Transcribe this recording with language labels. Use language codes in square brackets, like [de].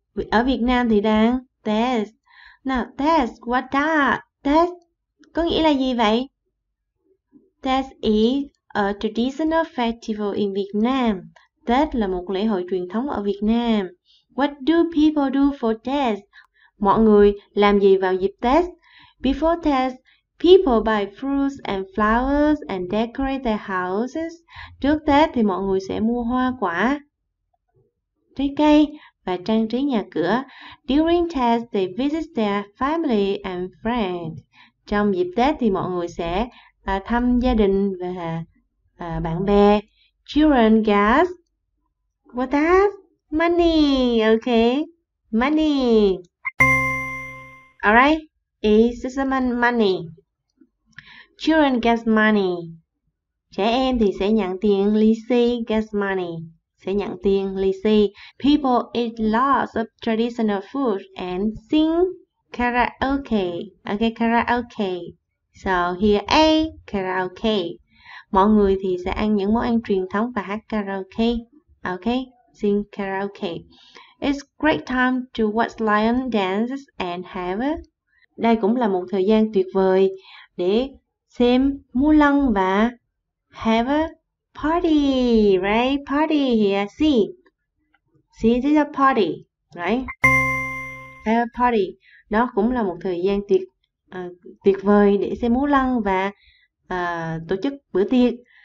[vi] Ở Việt Nam thì đang Tết. [en] Now, Tết, what that? [vi] Tết, có nghĩa là gì vậy? [en] Tết is a traditional festival in Vietnam. Tết là một lễ hội truyền thống ở Việt Nam. What do people do for Tết? [vi] Mọi người làm gì vào dịp Tết? [en] Before Tết, people buy fruits and flowers and decorate their houses. [vi] Trước Tết thì mọi người sẽ mua hoa quả, trái cây và trang trí nhà cửa. [en] During Tết, they visit their family and friends. [vi] Trong dịp Tết thì mọi người sẽ thăm gia đình và bạn bè. [en] Children get what that? Money, okay? Money. Alright, it's just money. Children get money. [vi] Trẻ em thì sẽ nhận tiền lì xì, [en] get money. [vi] Sẽ nhận tiền lì xì. [en] People eat lots of traditional food and sing karaoke. Okay, karaoke. So here A, karaoke. [vi] Mọi người thì sẽ ăn những món ăn truyền thống và hát karaoke. [en] Okay, sing karaoke. It's great time to watch lion dances and have it. [vi] Đây cũng là một thời gian tuyệt vời để xem múa lân và [en] have it. Party, right? Party here. See? See, this is a party, right? A party. [vi] Đó cũng là một thời gian tuyệt tuyệt vời để xem múa lân và tổ chức bữa tiệc.